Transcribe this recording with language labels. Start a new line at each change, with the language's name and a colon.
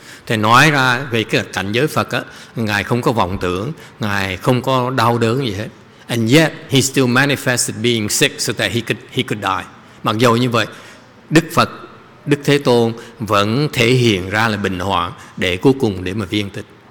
Vietnamese: Thầy nói ra về cái cảnh giới Phật á, ngài không có vọng tưởng, ngài không có đau đớn gì hết.
English: And yet he still manifested being sick so that he could die.
Vietnamese: Mặc dù như vậy, Đức Phật, Đức Thế Tôn vẫn thể hiện ra là bình hoạn để cuối cùng để mà viên tịch.